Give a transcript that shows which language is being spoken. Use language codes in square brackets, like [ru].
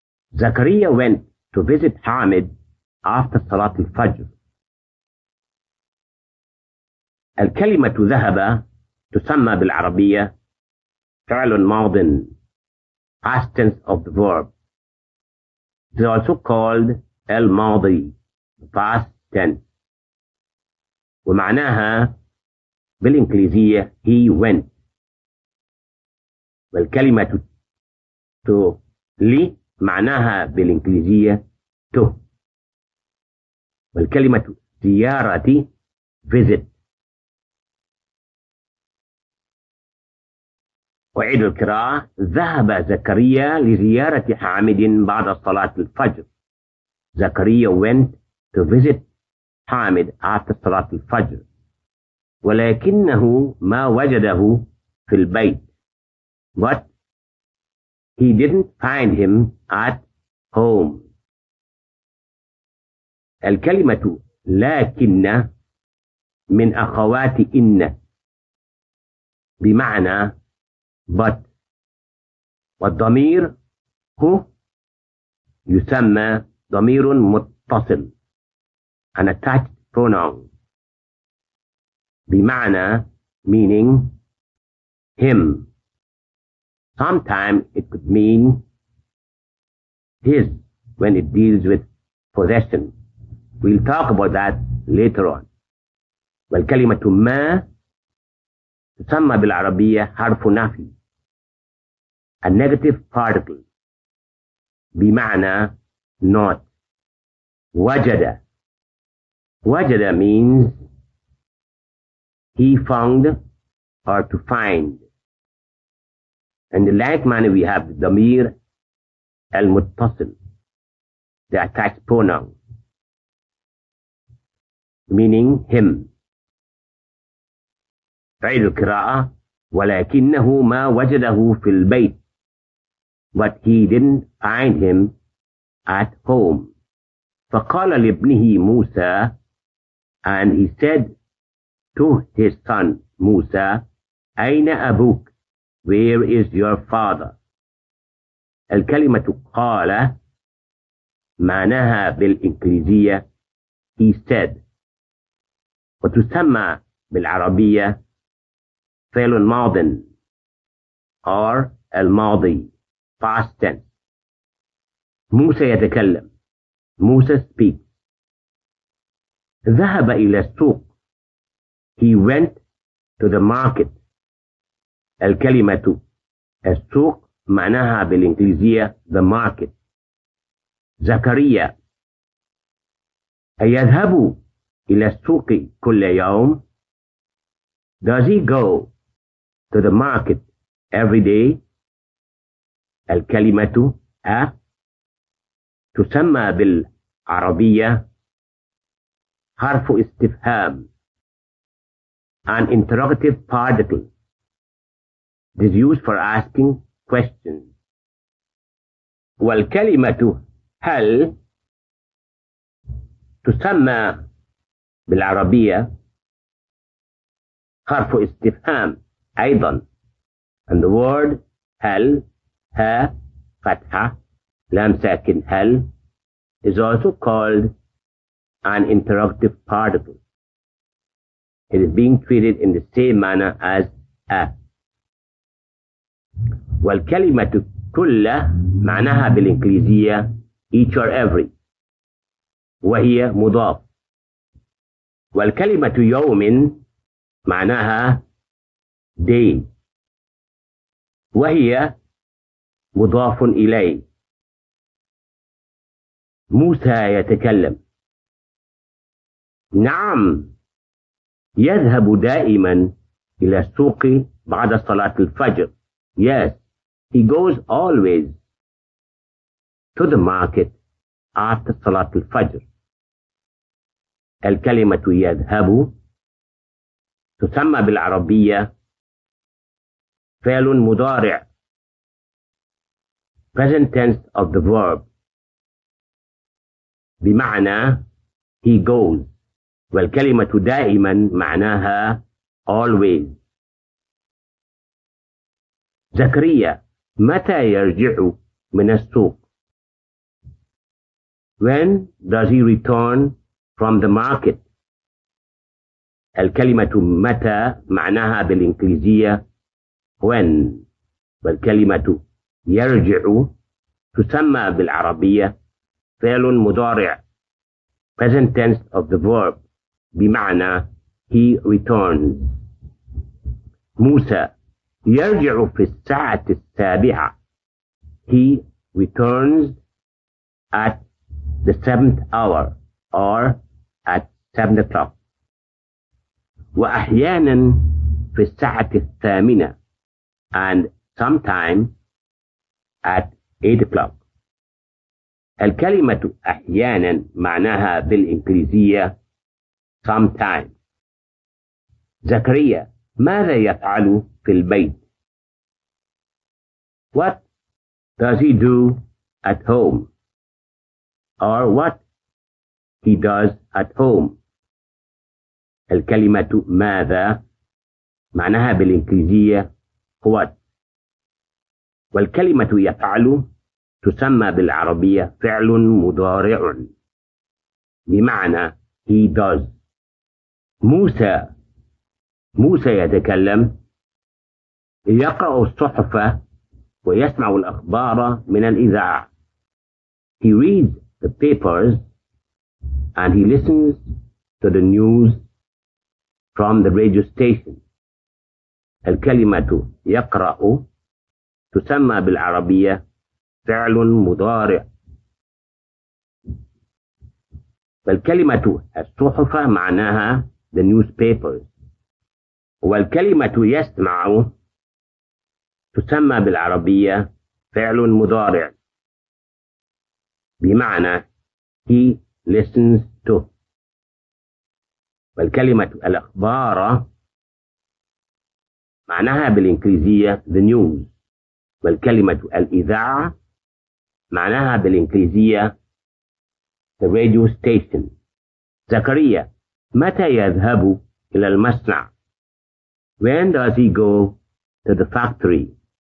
[en] زكريا went to visit حامد after صلاة الفجر. [ar] الكلمة ذهب تسمى بالعربية فعل ماض [en] past tense of the verb. It is also called الماضي past tense. [ar] ومعناها بالإنجليزية [en] he went. [ar] والكلمة to لي معناها بالإنجليزية to. والكلمة زيارتي visit. أعيد القراءة. ذهب زكريا لزيارة حامد بعد صلاة الفجر. [en] زكريا went to visit حامد after صلاة الفجر. [ar] ولكنه ما وجده في البيت. [en] But he didn't find him at home. [ar] الكلمة لكن من أخوات إن بمعنى but. والضمير هو يسمى ضمير متصل [en] an attached pronoun [ar] بمعنى [en] meaning him. Sometimes it could mean his when it deals with possession. We'll talk about that later on. [ar] والكلمة ما تسمى بالعربية حرف نفي [en] a negative particle [ar] بمعنى not. وجد. [en] وجد means he found or to find. In the like manner we have ضمير المتصل the attached pronoun meaning him. [ar] عيد القراءة. ولكنه ما وجده في البيت. [en] But he didn't find him at home. [ar] فقال لابنه [en] موسى and he said to his son موسى [ar] أين أبوك? [en] Where is your father? [ar] الكلمة قال معناها بالإنجليزية [en] he said [ar] وتسمى بالعربية فعل ماض or الماضي [en] past tense. [ar] موسى يتكلم. [en] موسى speaks. [ar] ذهب إلى السوق. [en] He went to the market. [ar] الكلمة السوق معناها بالإنجليزية [en] the market. [ar] زكريا أيذهب إلى السوق كل يوم? [en] Does he go to the market every day? [ar] الكلمة أ تسمى بالعربية حرف استفهام [en] an interrogative particle it is used for asking questions. [ar] والكلمة هل تسمى بالعربية حرف استفهام أيضا [en] and the word [ar] هل ها فتحة لام ساكن هل [en] is also called an interrogative particle. It is being treated in the same manner as a. [ar] والكلمة كل معناها بالإنجليزية [en] each or every [ar] وهي مضاف. والكلمة يوم معناها day وهي مضاف إليه. موسى يتكلم. نعم يذهب دائما إلى السوق بعد صلاة الفجر. [en] Yes, he goes always to the market after صلاة الفجر. [ar] الكلمة يذهب تسمى بالعربية فعل مضارع. [en] Present tense of the verb. بمعنى he goes. [ar] والكلمة دائما معناها always. زكريا متى يرجع من السوق؟ [en] When does he return from the market? [ar] الكلمة متى معناها بالإنجليزية when، والكلمة يرجع تسمى بالعربية فعل مضارع [en] present tense of the verb [ar] بمعنى [en] he returns. [ar] موسى يرجع في الساعة السابعة. [en] He returns at the seventh hour or at 7 o'clock. [ar] وأحيانا في الساعة الثامنة [en] and sometime at 8 o'clock. [ar] الكلمة أحيانا معناها بالإنجليزية sometime. زكريا ماذا يفعل في البيت؟ [en] What does he do at home? Or what he does at home? [ar] الكلمة ماذا معناها بالإنجليزية what. والكلمة يفعل تسمى بالعربية فعل مضارع بمعنى [en] he does. [ar] موسى يتكلم. يقرأ الصحف ويسمع الأخبار من الإذاعة. [en] He reads the papers and he listens to the news from the radio station. [ar] الكلمة يقرأ تسمى بالعربية فعل مضارع. والكلمة الصحف معناها the newspapers. والكلمة يسمع تسمى بالعربية فعل مضارع بمعنى [en] he listens to. [ar] والكلمة الأخبار معناها بالإنجليزية [en] the news. [ar] والكلمة الإذاعة معناها بالإنجليزية [en] the radio station. [ar] زكريا متى يذهب إلى المصنع؟ [en] When does he go to the factory?